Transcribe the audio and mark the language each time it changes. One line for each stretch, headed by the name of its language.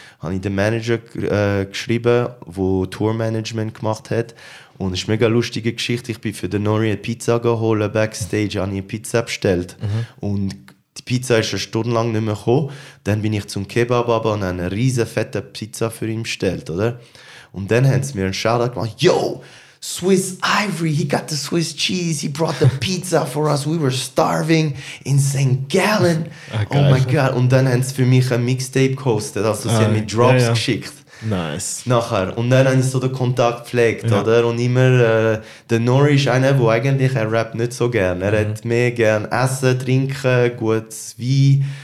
German: Habe ich den Manager geschrieben, der Tourmanagement gemacht hat. Und es ist eine mega lustige Geschichte. Ich bin für den Nori eine Pizza geholt, Backstage, habe ich eine Pizza bestellt. Mhm. Und die Pizza ist eine Stunde lang nicht mehr gekommen. Dann bin ich zum Kebab aber und habe eine riesen fette Pizza für ihn bestellt, oder? Und dann haben sie mir einen Shoutout gemacht.
English: Yo! Swissivory, he got the Swiss cheese, he brought the pizza for us, we were starving in St. Gallen. Ah, oh my god.
German: Und dann haben sie für mich ein Mixtape gehostet, also sie haben mir Drops geschickt.
English: Nice.
German: Nachher. Und dann habe ich so den Kontakt gepflegt, oder? Und immer, der Nori ist einer, der eigentlich er rappt nicht so gern. Er hat mehr gern Essen, Trinken, gutes Wein.